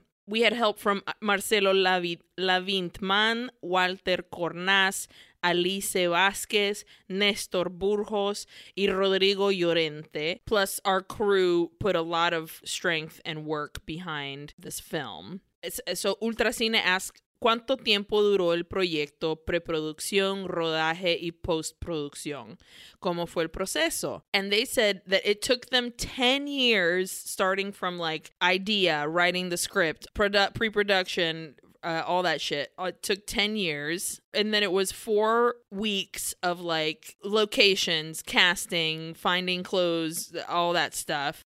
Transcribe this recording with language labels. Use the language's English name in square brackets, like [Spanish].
[English] We had help from Marcelo Lavintman, Walter Cornas, Alice Vasquez, Nestor Burgos, and Rodrigo Llorente. Plus, our crew put a lot of strength and work behind this film. So Ultracine asked [Spanish] ¿Cuánto tiempo duró el proyecto, preproducción, rodaje, y postproducción? ¿Cómo fue el proceso? [English] And they said that it took them 10 years, starting from, like, idea, writing the script, pre-production, all that shit. It took 10 years. And then it was 4 weeks of, like, locations, casting, finding clothes, all that stuff.